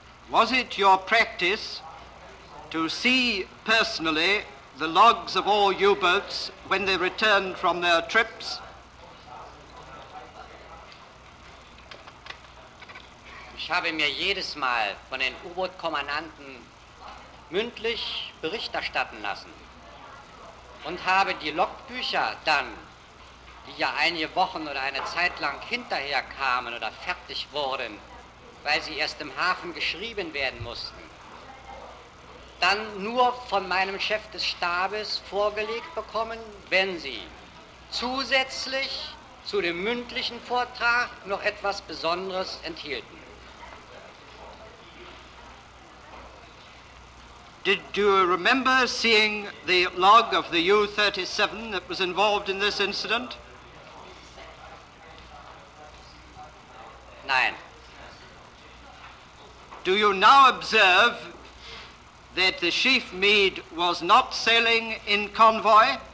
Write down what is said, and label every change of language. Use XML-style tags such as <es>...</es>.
<en>Was it your practice to see personally the logs of all U-boats when they returned from their trips?</en> <de>Ich habe mir jedes Mal von den U-Boot-Kommandanten mündlich Bericht erstatten lassen und habe die Logbücher dann, die ja einige Wochen oder eine Zeit lang hinterher kamen oder fertig wurden, weil sie erst im Hafen geschrieben werden mussten, dann nur von meinem Chef des Stabes vorgelegt bekommen, wenn sie zusätzlich zu dem mündlichen Vortrag noch etwas Besonderes enthielten.</de> <en>Did you remember seeing the log of the U-37 that was involved in this incident?</en> <de>Nein.</de> <en>Do you now observe that the Chief Meade was not sailing in convoy?</en>